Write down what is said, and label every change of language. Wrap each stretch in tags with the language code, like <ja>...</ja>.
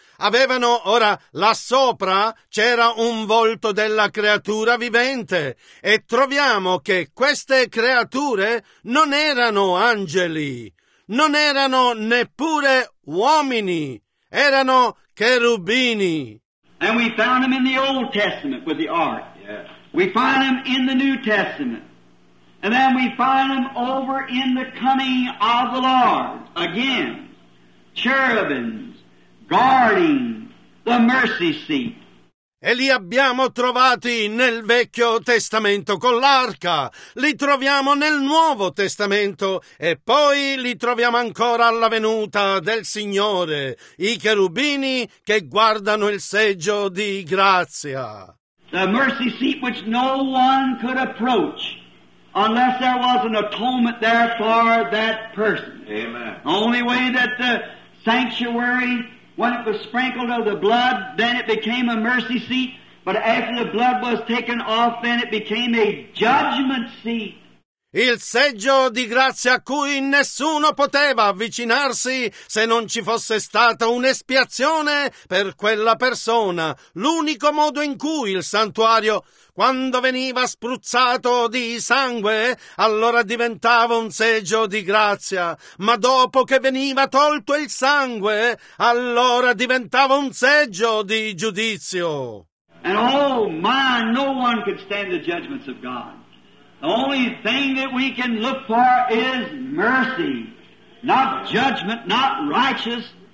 <it>Avevano, ora, là sopra c'era un volto della creatura vivente e troviamo che queste creature non erano angeli. Non erano neppure uomini, erano cherubini.</it> <en>And we found them in the Old Testament with the ark. Yes. We find them in the New Testament. And then we find them over in the coming of the Lord. Again, cherubims guarding the mercy seat.</en> <it>E li abbiamo trovati nel Vecchio Testamento con l'arca, li troviamo nel Nuovo Testamento e poi li troviamo ancora alla venuta del Signore, i cherubini che guardano il seggio di grazia.</it> <en>The mercy seat which no one could approach unless there was an atonement there for that person. Amen. Only way that the sanctuary, when it was sprinkled of the blood, then it became a mercy seat. But after the blood was taken off, then it became a judgment seat.</en> <it>Il seggio di grazia a cui nessuno poteva avvicinarsi se non ci fosse stata un'espiazione per quella persona. L'unico modo in cui il santuario, quando veniva spruzzato di sangue, allora diventava un seggio di grazia. Ma dopo che veniva tolto il sangue, allora diventava un seggio di giudizio.</it> <en>And oh my, no one could stand the judgments of God. The only thing that we can look for is mercy, not judgment, not righteousness.</en>